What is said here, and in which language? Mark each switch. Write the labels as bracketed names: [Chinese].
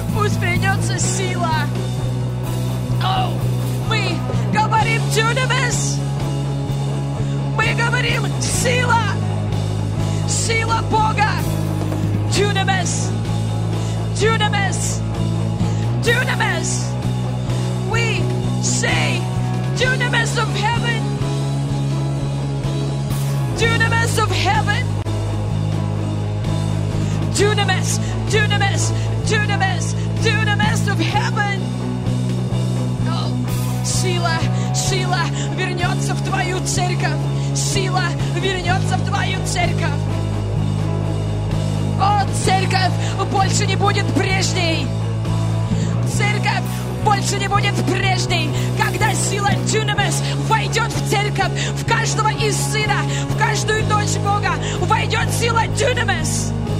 [Russian] Пусть вернется сила. О, мы говорим дюнамес. Мы говорим сила, сила Бога, дюнамес, дюнамес, дюнамес. [English] We say дюнамес of heaven, дюнамес of heaven, дюнамес, дюнамес, дюнамес, дюнамес of heaven. [Russian] Сила, сила вернется в Твою церковь. Сила вернется в Твою церковь. О, церковь больше не будет прежней. Церковь больше не будет прежней. Когда сила дюнамес войдет в церковь, в каждого из сына, в каждую дочь Бога, войдет сила дюнамес.